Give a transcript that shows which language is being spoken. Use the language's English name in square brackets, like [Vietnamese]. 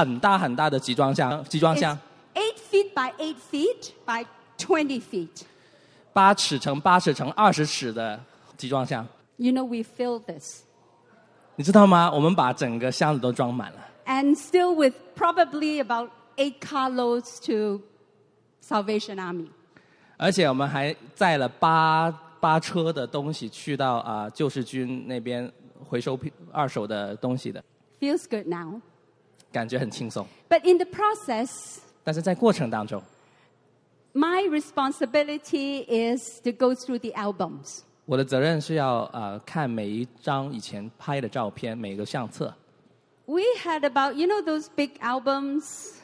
[Chinese] 就是要去叫一个很大很大的集装箱。 [English] 8 feet by 8 feet by 20 feet. [Chinese] 8尺乘8尺乘20尺的集装箱。 [English] You know, we fill this. [Chinese] 你知道吗? 我们把整个箱子都装满了。 [English] And still with probably about 8 carloads to Salvation Army. [Chinese] 而且我们还载了八车的东西去到 救世军那边回收二手的东西的。 [English] Feels good now. [Chinese] 感觉很轻松。 [English] But in the process, [Chinese] 但是在过程当中, [English] my responsibility is to go through the albums. [Chinese] 我的责任是要 看每一张以前拍的照片，每个相册。 [English] We had about, you know those big albums?